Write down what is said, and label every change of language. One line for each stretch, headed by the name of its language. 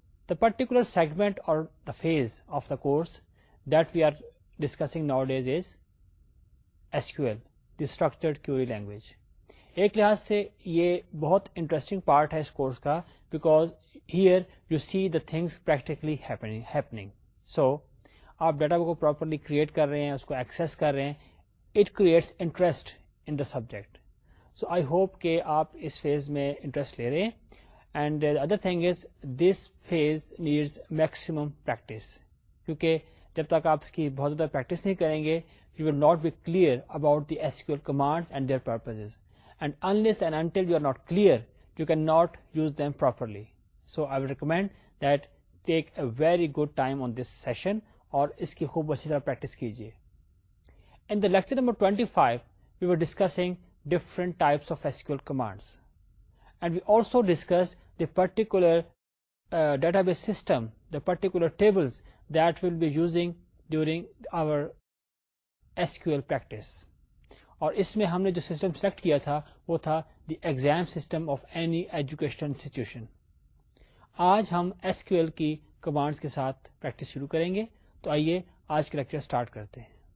English: The particular segment اور the phase of the course that we are discussing nowadays is SQL, the structured query language.
Urdu: ایک لحاظ سے یہ بہت interesting part ہے اس course کا،
English: Because here you see the things practically happening.
Urdu: سو آپ data کو پراپرلی کریٹ کر رہے ہیں، اس کو ایکسیس کر رہے ہیں،
English: It creates interest in the subject. So I hope
Urdu: کہ آپ اس فیز میں انٹرسٹ لے رہے ہیں.
English: and other thing is this phase needs maximum practice,
Urdu: کیونکہ جب تک آپ اس کی بہت زیادہ پریکٹس نہیں کریں گے
English: You will not be clear about the SQL commands and their purposes, and unless and until you are not clear you can not use them properly. So I will recommend that take a very good time on this session
Urdu: اور اس کی خوب اچھی طرح practice کیجیے.
English: In the lecture number 25 we were discussing different types of SQL commands, and we also discussed the particular database system, the particular tables that will be using during our SQL practice.
Urdu: اور اس میں ہم نے جو system select کیا تھا وہ تھا
English: The exam system of any education institution.
Urdu: آج ہم SQL کی کمانڈس کے ساتھ پریکٹس شروع کریں گے. تو آئیے آج کے لیکچر سٹارٹ کرتے ہیں.